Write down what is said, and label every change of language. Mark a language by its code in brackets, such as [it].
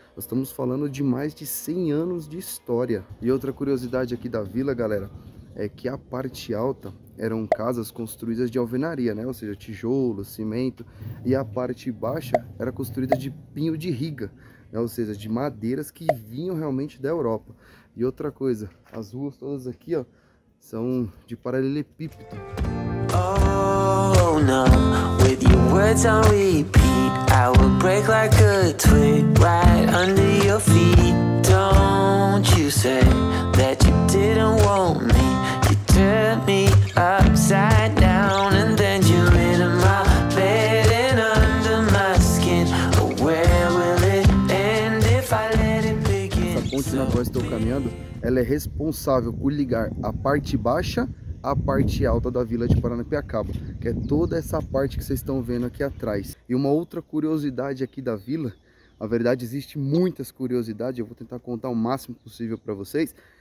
[pt] Nós estamos falando de mais de 100 anos de história. E outra curiosidade aqui da vila, galera, é que a parte alta eram casas construídas de alvenaria, né? Ou seja, tijolo, cimento. E a parte baixa era construída de pinho de riga, né? Ou seja, de madeiras que vinham realmente da Europa. E outra coisa, as ruas todas aqui, ó, são de paralelepípedo. [en] Oh, no, with your words on repeat, I will break like a twig right under your feet. Don't you say that you didn't want me. You turned me upside down and then you're in my bed and under my skin. Where will it end if I let it begin? [pt] Essa ponte na qual estou caminhando, ela é responsável por ligar a parte baixa a parte alta da vila de Paranapiacaba, que é toda essa parte que vocês estão vendo aqui atrás. E uma outra curiosidade aqui da vila, na verdade existe muitas curiosidades, eu vou tentar contar o máximo possível para vocês,